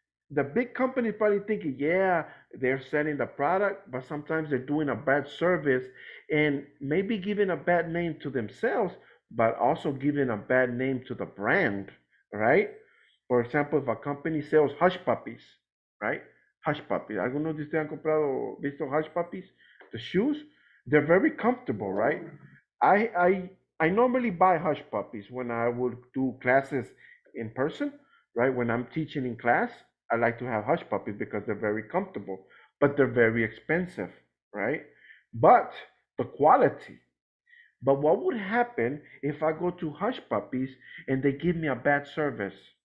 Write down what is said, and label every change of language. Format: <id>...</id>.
<en>The big company probably thinking, yeah, they're selling the product, but sometimes they're doing a bad service and maybe giving a bad name to themselves, but also giving a bad name to the brand, right? For example, if a company sells hush puppies, right? Hush puppies.</en> <es>¿Alguno de ustedes han comprado, visto hush puppies?</es> <en>The shoes? They're very comfortable, right? I normally buy hush puppies when I would do classes in person, right? When I'm teaching in class, I like to have hush puppies because they're very comfortable, but they're very expensive, right? But the quality. But what would happen if I go to hush puppies and they give me a bad service?</en>